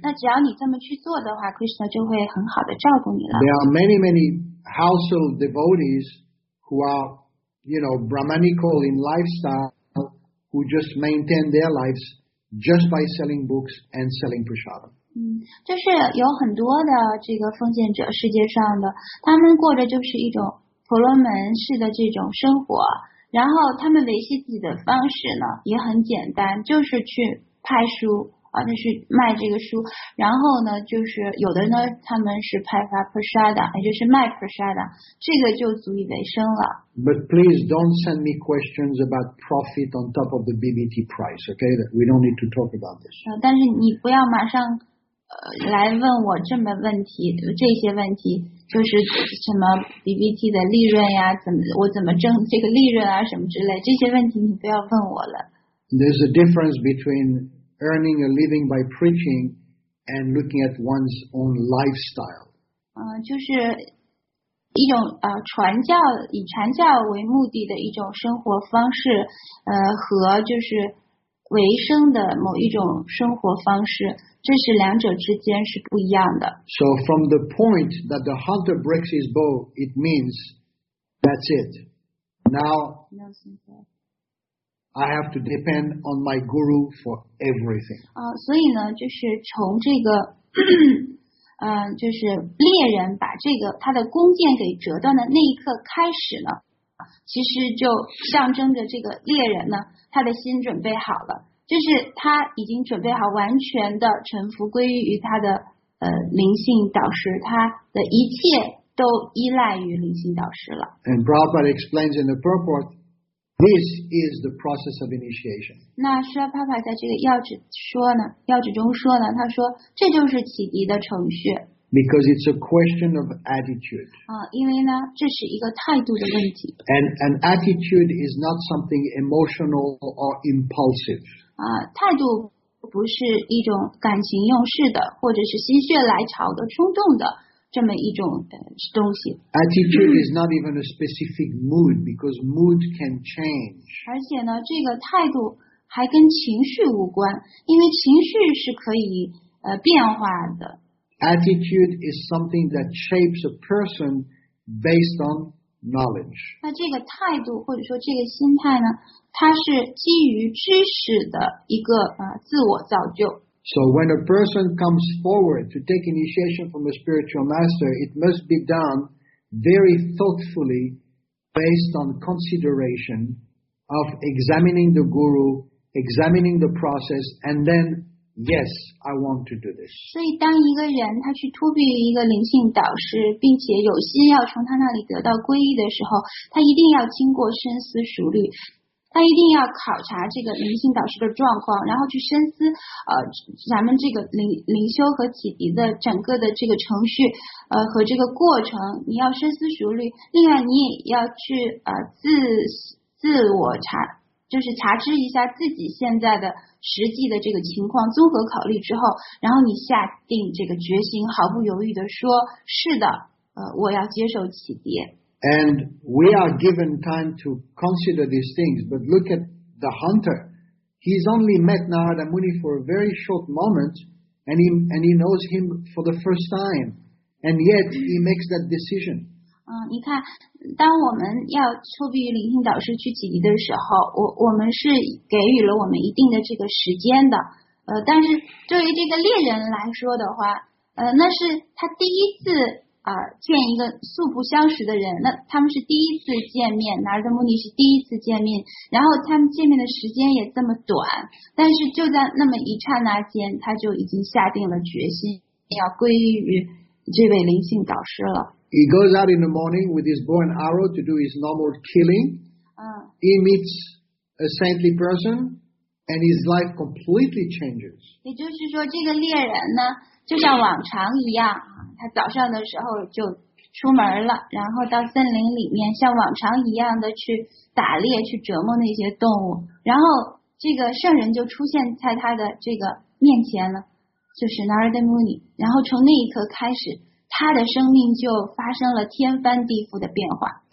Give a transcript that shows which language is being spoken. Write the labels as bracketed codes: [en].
[zh] 那只要你这么去做的话 ，Krishna 就会很好的照顾你了。 [en] There are many many household devotees. Who are, you know, Brahmanical in lifestyle, who just maintain their lives just by selling books and selling prasadam. [zh] 就是有很多的这个奉献者，世界上的，他们过着就是一种婆罗门式的这种生活。然后他们维系自己的方式呢，也很简单，就是去派书啊，就是卖这个书。然后呢，就是有的呢，他们是派发 prasadam， 也就是卖 prasadam， 这个就足以为生了。 [en] But please don't send me questions about profit on top of the BBT price, okay? We don't need to talk about this. [zh] 但是你不要马上来问我这么问题，这些问题就是什么 BBT 的利润呀，我怎么挣这个利润啊，什么之类，这些问题你不要问我了。 [en] There's a difference between earning a living by preaching and looking at one's own lifestyle. [zh] 就是一种传教以传教为目的的一种生活方式，和就是维生的某一种生活方式，这是两者之间是不一样的。 [en] So from the point that the hunter breaks his bow, it means that's it. Now I have to depend on my guru for everything. [zh] 所以呢，就是从这个。就是猎人把这个他的弓箭给折断的那一刻开始呢，其实就象征着这个猎人呢，他的心准备好了，就是他已经准备好完全的臣服归于他的灵性导师，他的一切都依赖于灵性导师了。 [en] And Prabhupada explains in the purport, this is the process of initiation. [zh] 那舍帕帕在这个要旨说呢，要旨中说呢，他说这就是启迪的程序。 [en] Because it's a question of attitude. [zh] 因为呢，这是一个态度的问题。 [en] And an attitude is not something emotional or impulsive. [zh] 态度不是一种感情用事的，或者是心血来潮的冲动的。这么一种东西。 [en] Attitude is not even a specific mood because mood can change. [zh] 而且呢，这个态度还跟情绪无关，因为情绪是可以变化的。 [en] Attitude is something that shapes a person based on knowledge. [zh] 那这个态度或者说这个心态呢，它是基于知识的一个自我造就。 [en] So when a person comes forward to take initiation from a spiritual master, it must be done very thoughtfully based on consideration of examining the guru, examining the process, and then, yes, I want to do this. [zh] 所以当一个人他去托庇一个灵性导师，并且有心要从他那里得到皈依的时候，他一定要经过深思熟虑。他一定要考察这个灵性导师的状况，然后去深思咱们这个灵修和启迪的整个的这个程序和这个过程，你要深思熟虑。另外你也要去自我查，就是查知一下自己现在的实际的这个情况，综合考虑之后，然后你下定这个决心，毫不犹豫的说是的，我要接受启迪。 [en] And we are given time to consider these things, but look at the hunter. He's only met Narada Muni for a very short moment, and he knows him for the first time, and yet he makes that decision. [zh] 你看，当我们要托庇于灵性导师去启迪的时候，我们是给予了我们一定的这个时间的。但是对于这个猎人来说的话，那是他第一次。见一个素不相识的人，那他们是第一次见面，拿着目的是第一次见面，然后他们见面的时间也这么短，但是就在那么一刹那间，他就已经下定了决心要归于这位灵性导师了。 [en] He goes out in the morning with his bow and arrow to do his normal killing. He meets a saintly person, and his life completely changes. [zh] 也就是说，这个猎人呢，就像往常一样。他早上的时候就出门了，然后到森林里面像往常一样的去打猎，去折磨那些动物，然后这个圣人就出现在他的这个面前了，就是 Narada Muni， 然后从那一刻开始他的生命就发生了天翻地覆的变化。